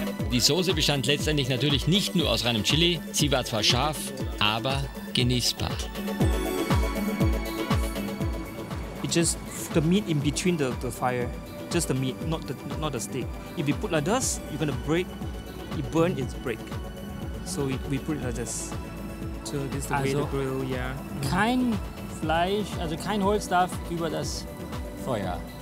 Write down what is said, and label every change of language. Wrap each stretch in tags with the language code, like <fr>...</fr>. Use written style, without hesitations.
<de>Die Soße bestand letztendlich natürlich nicht nur aus reinem Chili, sie war zwar scharf, aber genießbar.</de> <en>It's just the meat in between the fire, just the meat, not the steak. If you put like this, you're gonna break, you burn, it's break. So we put it like this. So this is the way</en> <de>also,</de> <en>the grill, yeah. Mm-hmm.</en> <de>Kein Fleisch, also kein Holz darf über das Feuer.</de>